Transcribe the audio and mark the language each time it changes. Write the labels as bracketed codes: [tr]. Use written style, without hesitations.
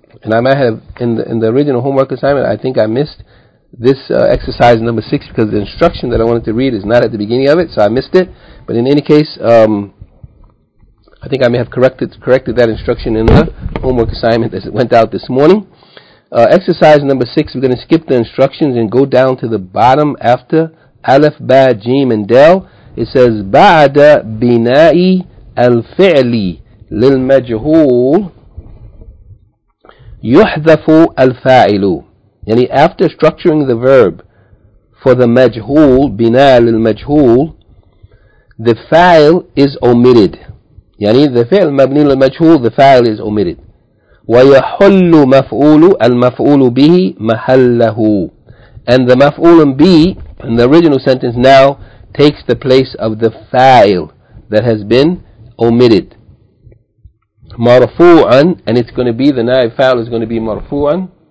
[en] And I might have, in the original homework assignment, I think I missed this exercise number 6 because the instruction that I wanted to read is not at the beginning of it, so I missed it. But in any case, I think I may have corrected that instruction in the homework assignment that went out this morning. Exercise number 6, we're going to skip the instructions and go down to the bottom after Aleph, Ba, Jim, and Del. It says, [ar] بعد بناء الفعل للمجهول يحذف الفاعل. يعني [en] after structuring the verb for the مجهول, بناء للمجهول, the فاعل is omitted. [ar] يعني [en] the فعل مبني للمجهول, the فاعل is omitted. [ar] ويحل مفعول المفعول به محله. [en] And the مفعول به in the original sentence now takes the place of the فاعل that has been omitted. مرفوعاً, and it's going to be, the نائب فاعل is going to be مرفوعاً.